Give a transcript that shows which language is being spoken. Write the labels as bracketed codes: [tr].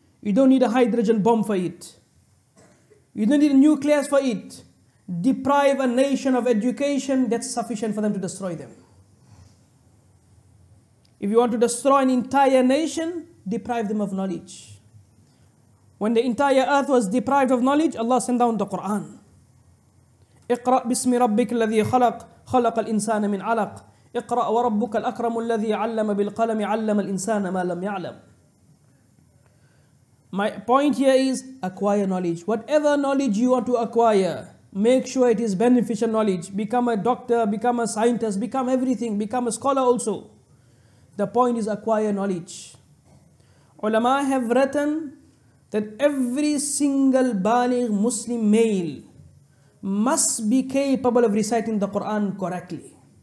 [en] You don't need a hydrogen bomb for it. You don't need nuclears for it. Deprive a nation of education, that's sufficient for them to destroy them. If you want to destroy an entire nation, deprive them of knowledge. When the entire earth was deprived of knowledge, Allah sent down the Quran. [ar] اقرا باسم ربك الذي خلق خلق الانسان من علق اقرا وربك الاكرم الذي علم بالقلم علم الانسان ما لم يعلم. [en] My point here is acquire knowledge. Whatever knowledge you want to acquire, make sure it is beneficial knowledge. Become a doctor, become a scientist, become everything, become a scholar also. The point is acquire knowledge. Ulama have written that every single baligh Muslim male must be capable of reciting the Quran correctly.